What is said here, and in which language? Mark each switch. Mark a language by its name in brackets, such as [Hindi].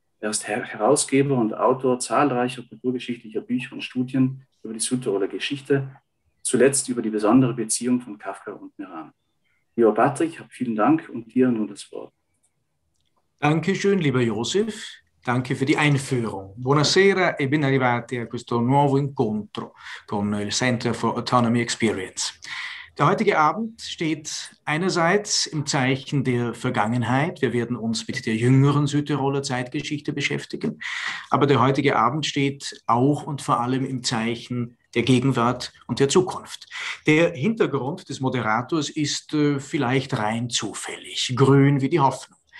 [German] Er ist Herausgeber und Autor zahlreicher kulturgeschichtlicher Bücher und Studien über die Südtiroler Geschichte, zuletzt über die besondere Beziehung von Kafka und Meran. Lieber Patrick, vielen Dank und dir nun das Wort. Dankeschön, lieber Josef. Danke für die Einführung. [Italian] Buonasera e ben arrivati a questo nuovo incontro con il Center for Autonomy Experience. [German] Der heutige Abend steht einerseits im Zeichen der Vergangenheit. Wir werden uns mit der jüngeren Südtiroler Zeitgeschichte beschäftigen. Aber der heutige Abend steht auch und vor allem im Zeichen der Gegenwart und der Zukunft. Der Hintergrund des Moderators ist vielleicht rein zufällig, grün wie die Hoffnung.